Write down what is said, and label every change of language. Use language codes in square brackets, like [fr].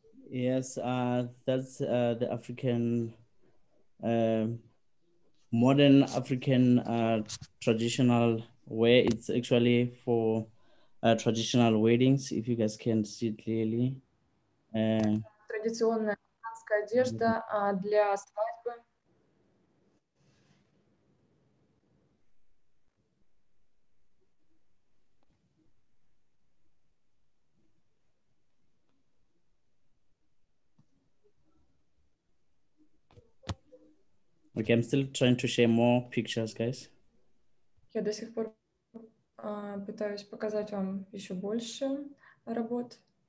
[en] Yes, that's the African, modern African traditional wear. It's actually for traditional weddings, if you guys can see it clearly. [ru] Традиционная африканская одежда для свадьбы. [en] Okay, I'm still trying to share more pictures, guys. [ru] Я до сих пор пытаюсь показать вам еще больше работ.